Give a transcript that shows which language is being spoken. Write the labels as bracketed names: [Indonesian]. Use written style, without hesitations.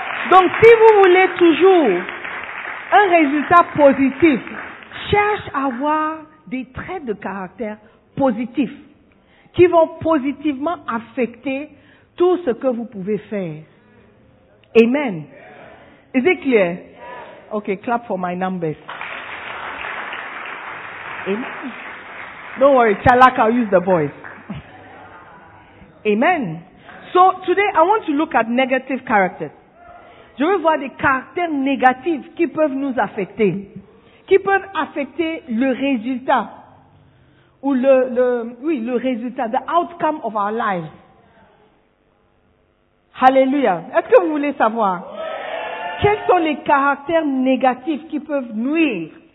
[French] Donc, si vous voulez toujours un résultat positif, cherche à avoir des traits de caractère positifs qui vont positivement affecter tout ce que vous pouvez faire. [English] Amen. Is it clear? Okay, clap for my numbers. Amen. Don't worry, Chalak, I'll use the voice. Amen. So, today, I want to look at negative characters. [French] Je veux voir des caractères négatifs qui peuvent nous affecter, qui peuvent affecter le résultat ou le résultat, [English] the outcome of our lives. [French] Hallelujah. Est-ce que vous voulez savoir quels sont les caractères négatifs qui peuvent nuire?